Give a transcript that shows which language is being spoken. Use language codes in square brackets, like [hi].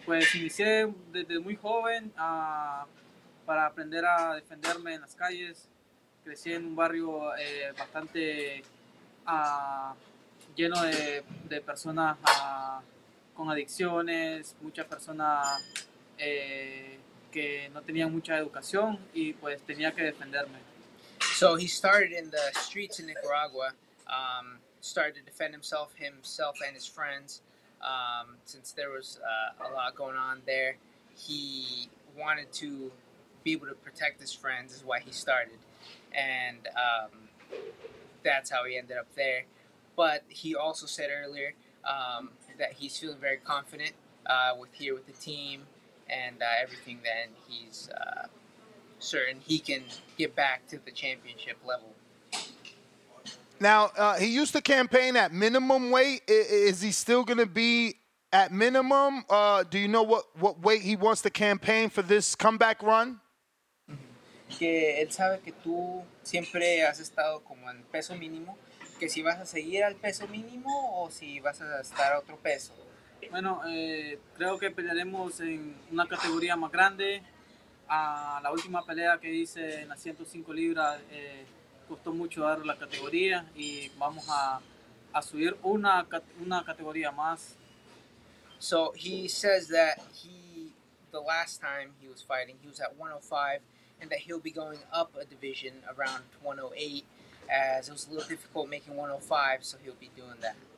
[es] Pues inicié desde muy joven para aprender a defenderme en las calles. Crecí en un barrio bastante lleno de personas con adicciones, muchas personas que no tenían mucha educación y pues tenía que defenderme. [en] So he started in the streets in Nicaragua, started to defend himself and his friends, since there was a lot going on there. He wanted to be able to protect his friends is why he started, and that's how he ended up there. But he also said earlier that he's feeling very confident with here with the team and everything, then he's certain he can get back to the championship level. Now, he used to campaign at minimum weight. Is he still going to be at minimum? Do you know what weight he wants to campaign for this comeback run? [es] Que él sabe que tú siempre has estado como en peso mínimo, que si vas a seguir al peso mínimo o si vas a estar a otro peso. Bueno, creo que pelearemos en una categoría más grande. La última pelea que hice en las 105 libras costó mucho dar la categoría y vamos a subir una categoría más. [en] So he says that the last time he was fighting, he was at 105. And that he'll be going up a division around 108, as it was a little difficult making 105, so he'll be doing that.